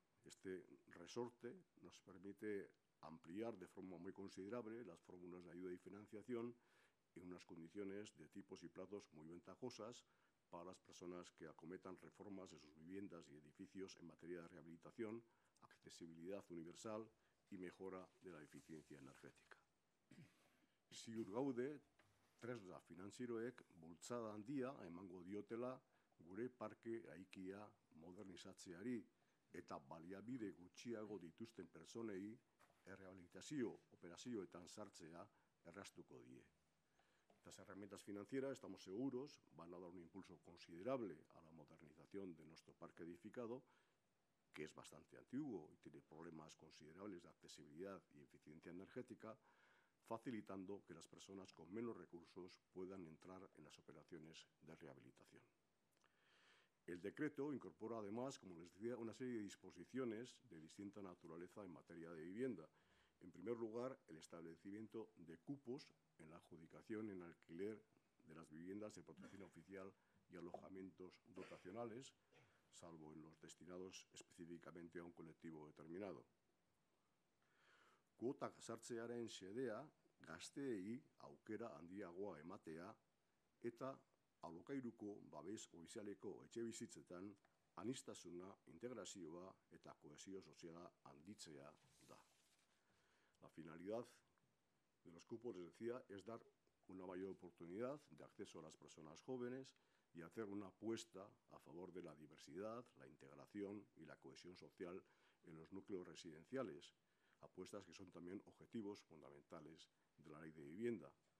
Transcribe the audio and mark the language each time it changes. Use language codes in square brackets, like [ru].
[es] Este resorte nos permite ampliar de forma muy considerable las fórmulas de ayuda y financiación en unas condiciones de tipos y plazos muy ventajosas para las personas que acometan reformas de sus viviendas y edificios en materia de rehabilitación, accesibilidad universal y mejora de la eficiencia energética. [eu] Ziur gaude, tresna finantzieroek bultzada handia emango diotela gure parke eraikia modernizatzeari eta baliabide gutxiago dituzten personei errehabilitazio operazioetan sartzea erraztuko die. [es] Estas herramientas financieras, estamos seguros, van a dar un impulso considerable a la modernización de nuestro parque edificado, que es bastante antiguo y tiene problemas considerables de accesibilidad y eficiencia energética, facilitando que las personas con menos recursos puedan entrar en las operaciones de rehabilitación. El decreto incorpora, además, como les decía, una serie de disposiciones de distinta naturaleza en materia de vivienda. En primer lugar, el establecimiento de cupos en la adjudicación en alquiler de las viviendas de protección oficial y alojamientos dotacionales, salvo en los destinados específicamente a un colectivo determinado. [eu] Kuotak sartzearen xedea, gazteei aukera handiagoa ematea, eta alokairuko babes ofizialeko etxe bizitzetan anistasuna, integrazioa eta kohesio soziala handitzea da. [es] La finalidad de los cupos, les decía, es dar una mayor oportunidad de acceso a las personas jóvenes y hacer una apuesta a favor de la diversidad, la integración y la cohesión social en los núcleos residenciales, apuestas que son también objetivos fundamentales de la ley de vivienda.